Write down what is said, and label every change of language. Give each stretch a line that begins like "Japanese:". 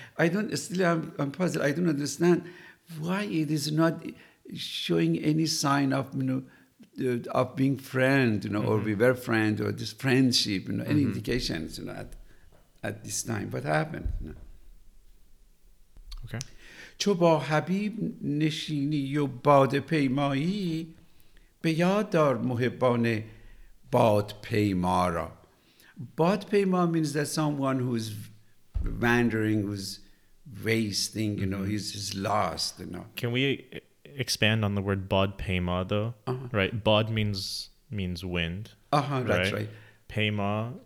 English: I'm puzzled. I don't understand why it is not showing any sign of, you know, of being friend, you know, or we were friend, or this friendship, you know, any indications, you know, at this time. What happened? You know?
Persian: چو با حبیب نشینی و باد پیمایی به یاد دار محبان باد پیما را.
English: باد پیما means that someone who's wandering, who's wasting, you know, he's lost, you know. Can we expand on the word باد پیما though? Right, باد means wind. That's right. Pema